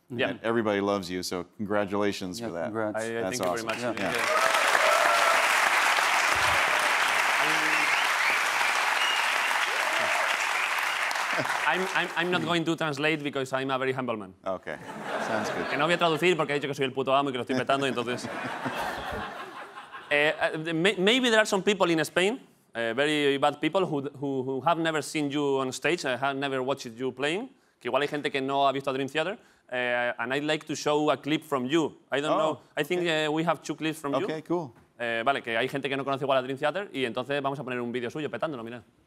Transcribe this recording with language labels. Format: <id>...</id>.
<en>Yeah. Everybody loves you, so congratulations for that. Congrats. That's thank awesome. You very much. I'm not going to translate because I'm a very humble man. Okay. Sounds good.</en> <es>Que no voy a traducir porque he dicho que soy el puto amo y que lo estoy petando y entonces.</es> <en>Maybe there are some people in Spain, very bad people, who have never seen you on stage, have never watched you playing.</en> <es>Que igual hay gente que no ha visto a Dream Theater.</es> <en>And I'd like to show a clip from you. I don't know. I think we have two clips from you. Okay, cool.</en> <es>Vale, que hay gente que no conoce igual a Dream Theater y entonces vamos a poner un vídeo suyo petándolo, mira.</es>